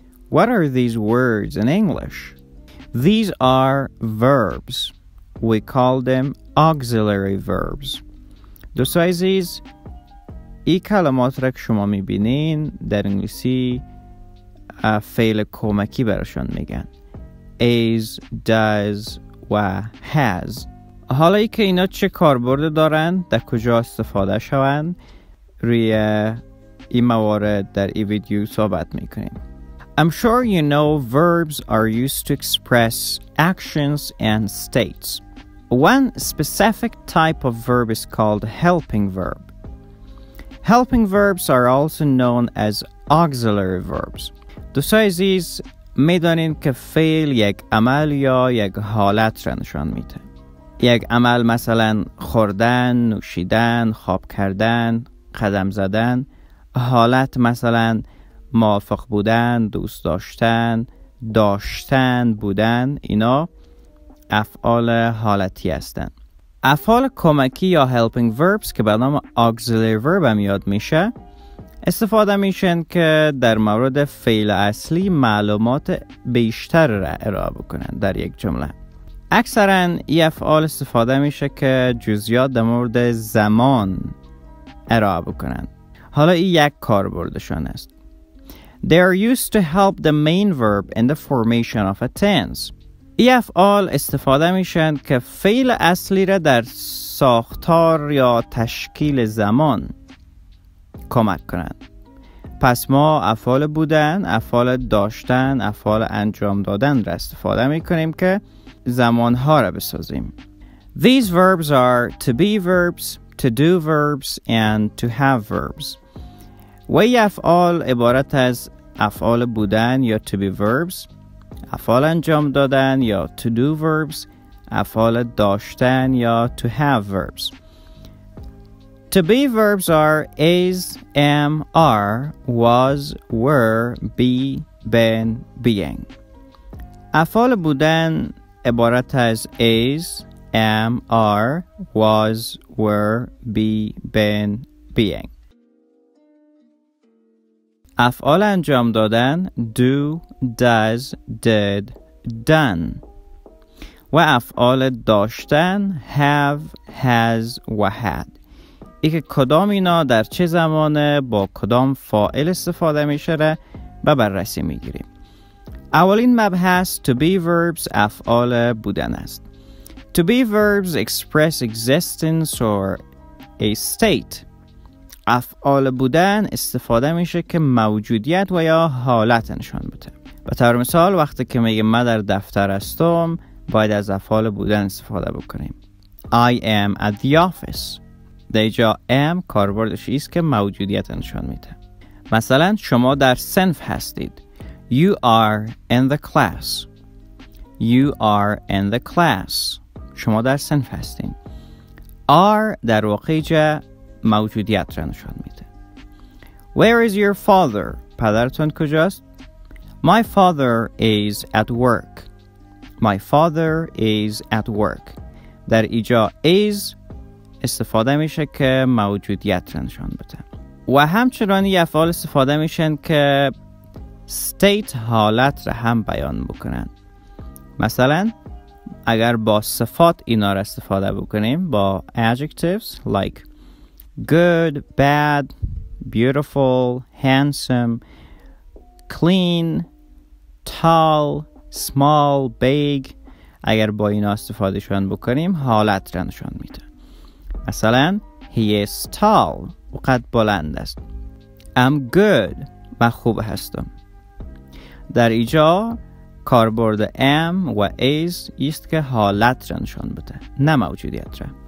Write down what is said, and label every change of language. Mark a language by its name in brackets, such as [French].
[English] What are these words in English? These are verbs. We call them auxiliary verbs. [Persian] دوستو عزیز، ای کلمات را که شما میبینین در انگلیسی فعل کمکی براشون میگن. [English] Is, does و has. [Persian] حالا ای که اینا چه کاربرد دارن، در کجا استفاده شون، روی این موارد در این ویدیو صحبت میکنیم. [English] I'm sure you know verbs are used to express actions and states. One specific type of verb is called helping verb. Helping verbs are also known as auxiliary verbs. [Persian] دوستای عزیز، میدانین که فعل یک عمل یا یک حالت را نشان میده. یک عمل مثلا خوردن، نوشیدن، خواب کردن، قدم زدن. حالت مثلا موافق بودن، دوست داشتن، داشتن، بودن. اینا افعال حالتی هستن. افعال کمکی یا helping verbs که به نام auxiliary verb هم یاد میشه استفاده میشن که در مورد فعل اصلی معلومات بیشتر را ارائه بکنن در یک جمله. اکثرا این افعال استفاده میشه که جزئیات در مورد زمان ارائه بکنن. حالا این یک کاربردشان است. [English] They are used to help the main verb in the formation of a tense. [Persian] ای افعال استفاده میشن که فعل اصلی را در ساختار یا تشکیل زمان کمک کنند. پس ما افعال بودن، افعال داشتن، افعال انجام دادن را استفاده میکنیم که زمانها را بسازیم. [English] These verbs are to be verbs, to do verbs and to have verbs. [Persian] و ای افعال عبارت از افعال بودن یا to be verbs، افعال انجام دادن یا to do verbs، افعال داشتن یا to have verbs. [English] To be verbs are is, am, are, was, were, be, been, being. [Persian] افعال بودن عبارت از [English] is, am, are, was, were, be, been, being. [Persian] افعال انجام دادن [English] do, does, did, done. [Persian] و افعال داشتن [English] have, has [Persian] و had. ای که کدام اینا در چه زمانه با کدام فاعل استفاده میشه را به بررسی میگیریم. اولین مبحث to be verbs افعال بودن است. [English] To be verbs express existence or a state. [Persian] افعال بودن استفاده میشه که موجودیت و یا حالت نشان بده. به طور مثال وقتی که میگم من در دفتر هستم باید از افعال بودن استفاده بکنیم. [English] I am at the office. [Persian] در اینجا am کاربردش ایست که موجودیت نشان میده. مثلا شما در صنف هستید. [English] You are in the class. You are in the class. [Persian] شما در صنف هستید. Are در واقع اینجا موجودیت را نشان میده. [English] Where is your father؟ [Persian] پدرتون کجاست؟ [English] My father is at work. My father is at work. [Persian] در اینجا is استفاده میشه که موجودیت را نشان بده. و همچنان یه افعال استفاده میشن که state حالت را هم بیان بکنن. مثلا اگر با صفات اینا را استفاده بکنیم، با [English] adjectives like good, bad, beautiful, handsome, clean, tall, small, big. [Persian] اگر با اینا استفاده شون بکنیم حالت را نشان میده. مثلا [English] he is tall، [Persian] وقت بلند است. [English] I'm good، [Persian] من خوب هستم. در اینجا کاربرد am و is ایست که حالت را نشان بده، نه موجودیت را.